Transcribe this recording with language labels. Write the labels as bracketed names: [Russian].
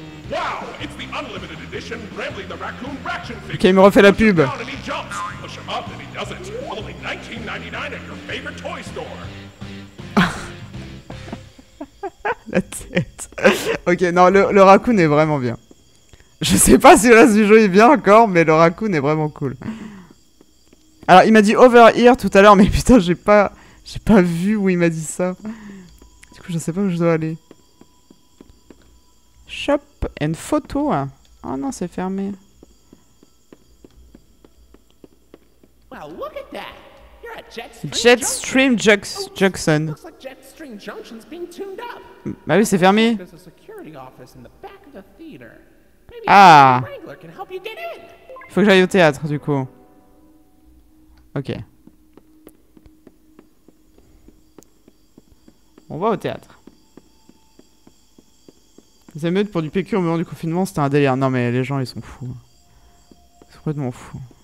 [English] Wow, it's the unlimited edition Rambly the Raccoon Raction figure. Okay, [French] il me refait la pub. [English] Push him down and he jumps. Push him up and he doesn't. Only $19.99 at your favorite toy store. [French] La tête. Ok, non, le raccoon est vraiment bien. Je sais pas si le reste du jeu est bien encore, mais le raccoon est vraiment cool. Alors, il m'a dit over here tout à l'heure, mais putain, j'ai pas vu où il m'a dit ça. Du coup, je sais pas où je dois aller. [English] Shop and photo. [French] Oh non, c'est fermé. [English] Well, look at that. You're at Jetstream Junction. Looks like Jetstream Junction's being tuned up. [French] Bah oui, c'est fermé. [English] There's a security office in the back of the theater. Maybe Wrangler can help you get in. [French] Faut que j'aille au théâtre du coup. OK. On va au théâtre. Les émeutes pour du PQ au moment du confinement, c'était un délire. Non, mais les gens, ils sont fous. Ils sont complètement fous.